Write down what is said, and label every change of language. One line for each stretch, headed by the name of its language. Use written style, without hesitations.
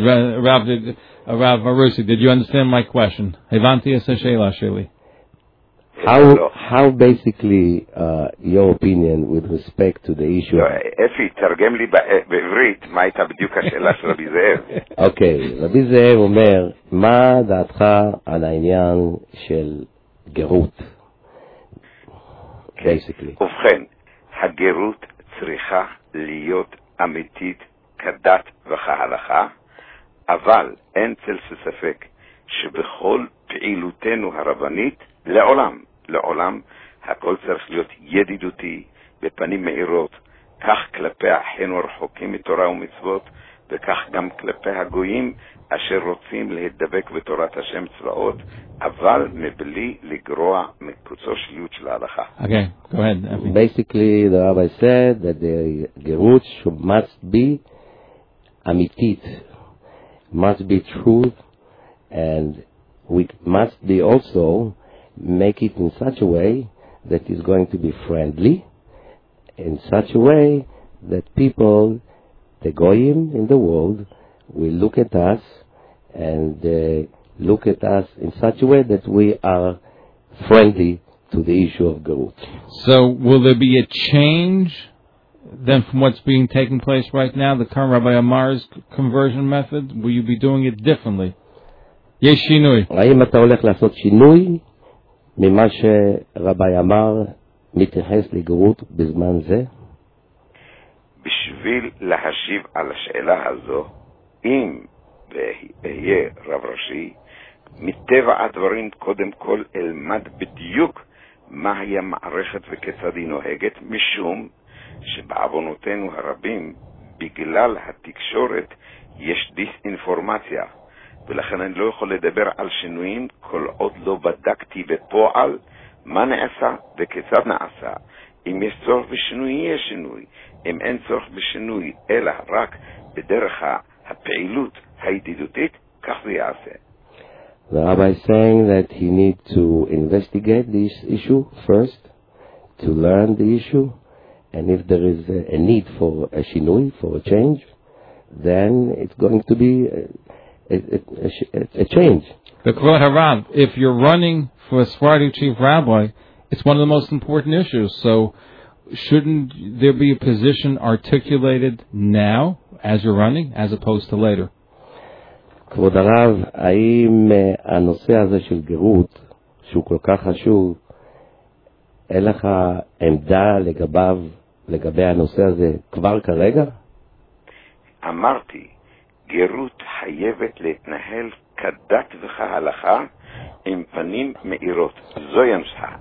English: Rav Marusi, did you understand my question?
Hebrew: Hevanti es ha'shela sheli.
English: How basically your opinion with respect to the issue...
Hebrew: Efi, תרגם לי בעברית, מה הייתה בדיוק השאלה של רבי זאב? Okay, רבי זאב אומר, מה דעתך על העניין של גרות?
English: Basically.
Hebrew: ובכן, הגרות צריכה להיות אמיתית כדת וכהלכה, אבל אין צל ספק שבכל פעילותנו הרבנית, לעולם, הכל צריך להיות ידידותי, בפנים מהירות, כך כלפי אחינו הרחוקים מתורה ומצוות, וכך גם כלפי הגויים אשר רוצים להידבק בתורת השם צבאות, אבל מבלי לגרוע מקוצו שליות של ההלכה.
English: Okay, go ahead. Basically, the rabbi said that the gerut must be amitit, must be truth, and we must be also make it in such a way that it's going to be friendly, in such a way that people, the goyim in the world, will look at us and look at us in such a way that we are friendly to the issue of Gerut. So will there be a change then from what's being taken place right now, the current Rabbi Amar's conversion method? Will you be doing it differently? Yes, shinui.
Hebrew: האם אתה הולך לעשות שינוי ממה שרבי אמר מתייחס לגרות בזמן זה? בשביל להשיב על השאלה הזו, אם יהיה רב ראשי, מטבע הדברים קודם כל אלמד בדיוק מה היה מערכת וכיצד היא נוהגת, משום שבעוונותינו הרבים, בגלל התקשורת, יש דיסאינפורמציה. ולכן אני לא יכול לדבר על שינויים כל עוד לא בדקתי בפועל מה נעשה וכיצד נעשה. אם יש צורך בשינוי, יהיה שינוי. אם אין צורך בשינוי, אלא רק בדרך הפעילות הידידותית, כך זה יעשה.
English: The rabbi is saying that he need to investigate this issue first, to learn the issue, and if there is a need for a שינוי, for a change, then it's going to be a change. The Kvod HaRav, if you're running for a Sephardic chief rabbi, it's one of the most important issues. So shouldn't there be a position articulated now as you're running as opposed to later?
Hebrew: Kvod HaRav, האם הנושא הזה של גירות שהוא כל כך חשוב, אין לך עמדה לגביו לגבי הנושא הזה כבר כרגע? אמרתי, גירות חייבת להתנהל כדת וכהלכה עם פנים מאירות. זו ינסה.